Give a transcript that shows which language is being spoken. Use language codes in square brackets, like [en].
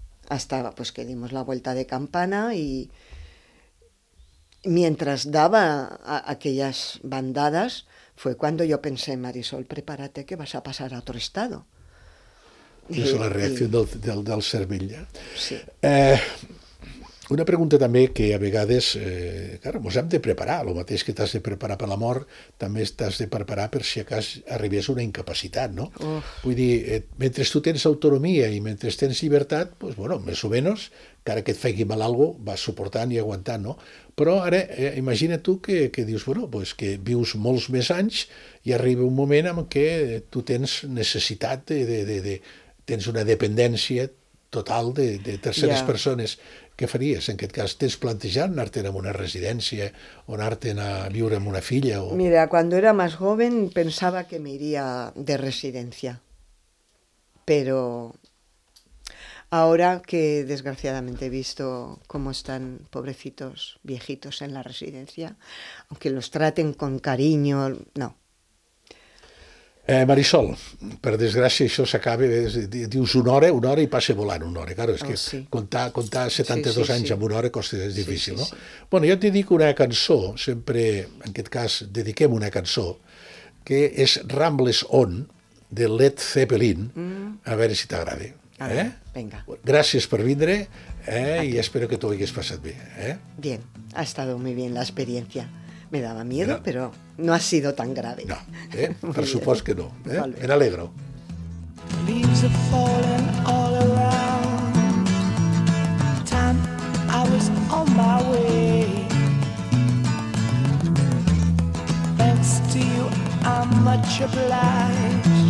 [es] Hasta pues, que dimos la vuelta de campana y... Mientras daba aquellas bandadas, fue cuando yo pensé, Marisol, prepárate que vas a pasar a otro estado. Es la reacción del [ca] cervell. [es] Sí. [ca] Una pregunta també que a vegades, ens hem de preparar, el mateix que t'has de preparar per la mort, també t'has de preparar per si acaso arribés una incapacitat, no? Vull dir, mentre tu tens autonomia i mentre tens llibertat, doncs, bueno, més o menys, encara que et faci mal algo, vas suportant i aguantant, no? Però ara, imagina tu que dius, bueno, doncs que vius molts més anys i arriba un moment en què tu tens necessitat tens una dependència total de terceres persones. Què faries en aquest cas? Tens plantejat anar-te'n a una residència o anar-te'n a viure amb una filla? O... [es] Mira, cuando era más joven pensaba que me iría de residencia. Pero ahora que desgraciadamente he visto cómo están pobrecitos viejitos en la residencia, aunque los traten con cariño, no. [ca] Marisol, per desgràcia això s'acaba, dius una hora i passa volant una hora. Claro, és que comptar 72 anys amb una hora costa, és difícil. Sí, sí, sí. No? Bueno, jo t'hi dic una cançó, sempre en aquest cas dediquem una cançó, que és Rambles On, de Led Zeppelin, a veure si t'agrada. [es] Venga. [ca] Gràcies per vindre, i espero que t'ho hagués passat bé. [es] Bien, ha estado muy bien la experiencia. Me daba miedo, pero no ha sido tan grave. No, por supuesto que no. Vale. Me alegro. [en] Leaves are falling all around. Time I was on my way. Thanks to you, I'm much obliged.